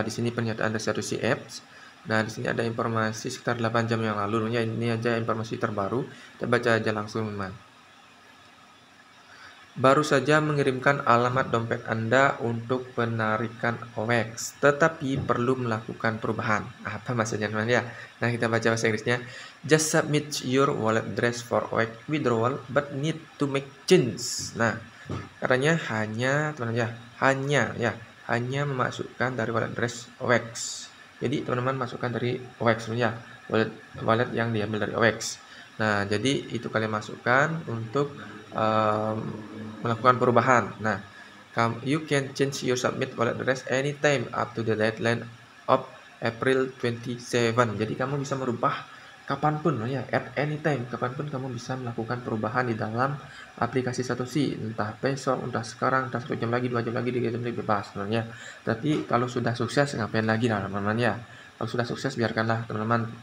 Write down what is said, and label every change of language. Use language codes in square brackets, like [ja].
[id] Di sini pernyataan dari Satoshi Apps. Nah, di sini ada informasi sekitar 8 jam yang lalu ya. Ini aja informasi terbaru. Kita baca aja langsung, teman. Baru saja mengirimkan alamat dompet Anda untuk penarikan OX, tetapi perlu melakukan perubahan. Apa maksudnya, teman ya? Nah, kita baca bahasa Inggrisnya. [en] Just submit your wallet address for OX withdrawal but need to make change. [id] Nah, katanya hanya teman-teman ya hanya memasukkan dari wallet address OX. Jadi teman-teman masukkan dari OX ya, wallet yang diambil dari OX. Nah, jadi itu kalian masukkan untuk melakukan perubahan. [en] Nah, you can change your submit wallet address anytime up to the deadline of April 27. [id] Jadi kamu bisa merubah kapanpun ya, [en] at any time, [id] kapanpun kamu bisa melakukan perubahan di dalam aplikasi Satoshi, entah besok, entah sekarang, entah 1 jam lagi, 2 jam lagi, 3 jam lagi, bebas sebenarnya. Tapi kalau sudah sukses, ngapain lagi lah teman-teman ya. Kalau sudah sukses, biarkanlah teman-teman.